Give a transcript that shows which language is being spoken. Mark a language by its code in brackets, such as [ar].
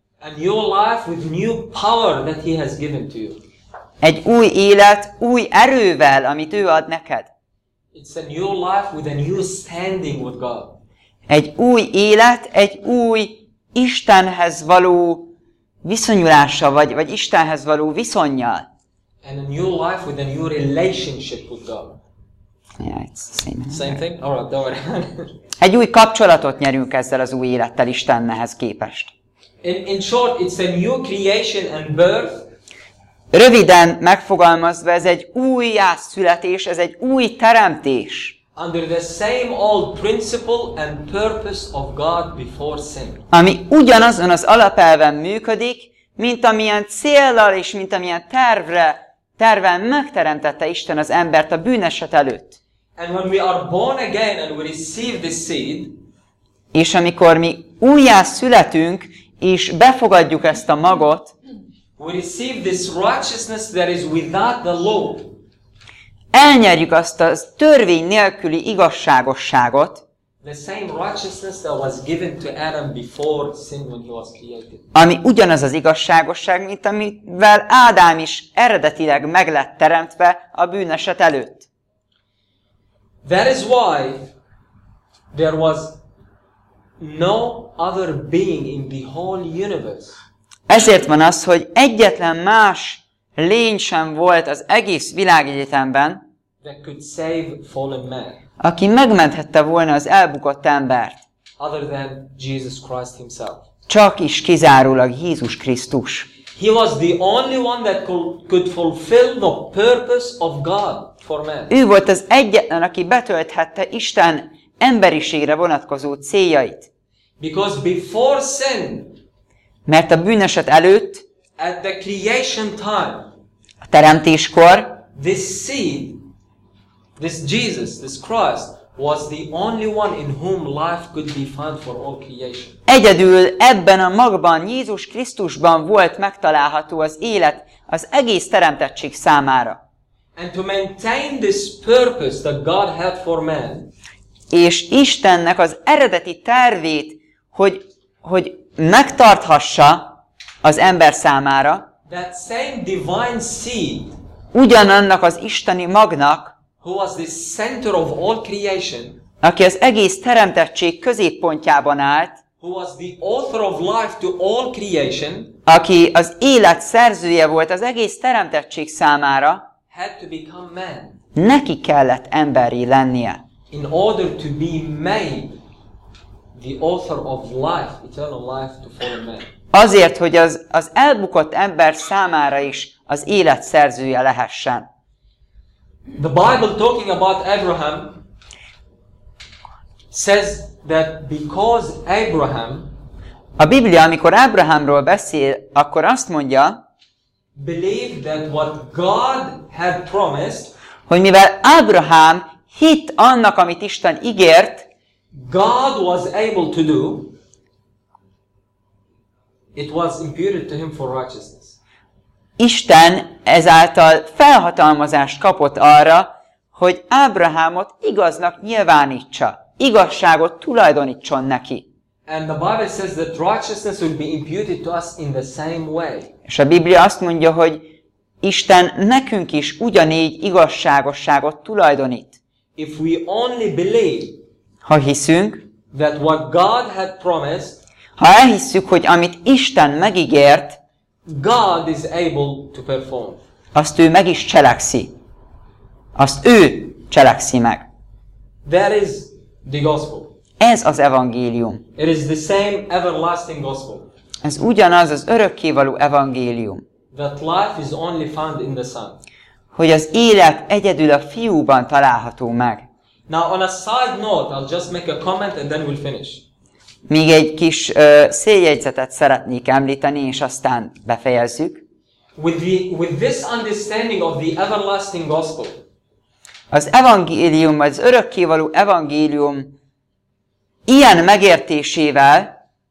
[en] A new life with new power that he has given to you. [hu] Egy új élet, új erővel, amit ő ad neked. [en] It's a new life with a new standing with God. [hu] Egy új élet, egy új Istenhez való viszonyulása, vagy Istenhez való viszonnyal. [en] And a new life with a new relationship with God. Yeah, it's the same. Same thing? All right, don't worry. [hu] Egy új kapcsolatot nyerünk ezzel az új élettel Istenhez képest. [en] In short, it's a new creation and birth. [hu] Röviden megfogalmazva, ez egy újjászületés, ez egy új teremtés. [en] Under the same old principle and purpose of God before sin. [hu] Ami ugyanazon az alapelven működik, mint amilyen céllal és mint amilyen tervvel megteremtette Isten az embert a bűneset előtt. [en] And when we are born again and we receive the seed, [hu] és amikor mi újjá születünk és befogadjuk ezt a magot, [en] we receive this righteousness that is without the law. [hu] Elnyerjük azt a törvény nélküli igazságosságot, [en] the same righteousness that was given to Adam before sin when he was created. [hu] Ami ugyanaz az igazságosság, mint amivel Ádám is eredetileg meg lett teremtve a bűneset előtt. [en] That is why there was no other being in the whole universe. [hu] Ezért van az, hogy egyetlen más lény sem volt az egész világegyetemben, [en] that could save fallen man, [hu] aki megmenthette volna az elbukott embert, [en] other than Jesus Christ himself. [hu] Csak is kizárólag Jézus Krisztus. [en] He was the only one that could fulfill the purpose of God for man. [hu] Ő volt az egyetlen, aki betölthette Isten emberiségre vonatkozó céljait. [en] Because before sin, [hu] mert a bűneset előtt, [en] at the creation time, [hu] a teremtéskor, [en] this seed, this Jesus, this Christ was the only one in whom life could be found for all creation. [hu] Egyedül ebben a magban, Jézus Krisztusban volt megtalálható az élet az egész teremtettség számára. [en] And to maintain this purpose that God had for man. [hu] És Istennek az eredeti tervét, hogy megtarthassa az ember számára. [en] That same divine seed. [hu] Ugyanannak az isteni magnak, [en] who was the center of all creation, [hu] aki az egész teremtettség középpontjában állt, [en] who was the author of life to all creation, [hu] aki az élet szerzője volt az egész teremtettség számára, [en] had to become man, [hu] neki kellett emberré lennie, [en] in order to be made the author of life, eternal life to fallen man. [hu] Azért, hogy az elbukott ember számára is az élet szerzője lehessen. [en] The Bible talking about Abraham says that because Abraham, [hu] a Biblia, amikor Ábrahámról beszél, akkor azt mondja, [en] believed that what God had promised, [hu] hogy mivel Ábrahám hit annak, amit Isten ígért, [en] God was able to do, it was imputed to him for righteousness. [hu] Isten ezáltal felhatalmazást kapott arra, hogy Ábrahámot igaznak nyilvánítsa, igazságot tulajdonítson neki. [en] And the Bible says that righteousness will be imputed to us in the same way. [hu] És a Biblia azt mondja, hogy Isten nekünk is ugyanígy igazságosságot tulajdonít. [en] If we only believe, [hu] ha hiszünk, [en] that what God had promised, [hu] ha elhisszük, hogy amit Isten megígért, [en] God is able to perform. [hu] Azt ő meg is cselekszi. Azt ő cselekszi meg. [en] There is the gospel. [hu] Ez az evangélium. [en] It is the same everlasting gospel. [hu] Ez ugyanaz az örökkévaló evangélium. [en] That life is only found in the Son. [hu] Hogy az élet egyedül a fiúban található meg. [en] Now on a side note, I'll just make a comment and then we'll finish. [hu] Még egy kis széljegyzetet szeretnék említeni, és aztán befejezzük. [en] With this understanding of the everlasting gospel. [hu] Az evangélium, az örökkévaló evangélium ilyen megértésével,